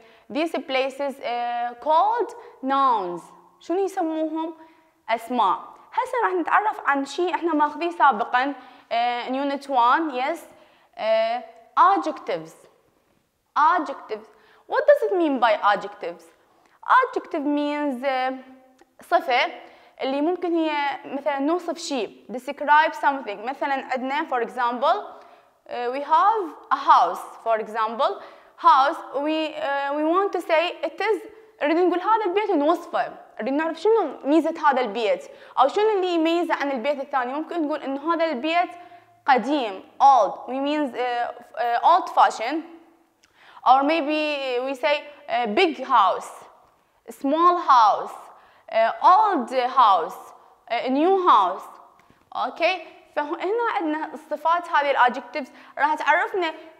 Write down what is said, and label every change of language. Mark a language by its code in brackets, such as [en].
[en] These places called nouns. [ar] شنو يسموهم؟ أسماء. هسا راح نتعرف عن شيء احنا ماخذيه سابقا [en] in unit 1. Yes. Adjectives. Adjectives. What does it mean by adjectives? Adjective means [ar] صفة اللي ممكن هي مثلا نوصف شيء. [en] Describe something. [ar] مثلا عندنا [en] for example we have a house for example. House, we want to say it is. [ar] أريد نقول هذا البيت نوصفه. أريد نعرف شنو ميزة هذا البيت أو شنو اللي يميزه عن البيت الثاني. ممكن نقول إنه هذا البيت قديم. [en] Old. We means old fashion. Or maybe we say big house, small house, old house, new house. Okay. [ar] فهنا عندنا الصفات هذه الأدجكتيفز راح تعرفنا.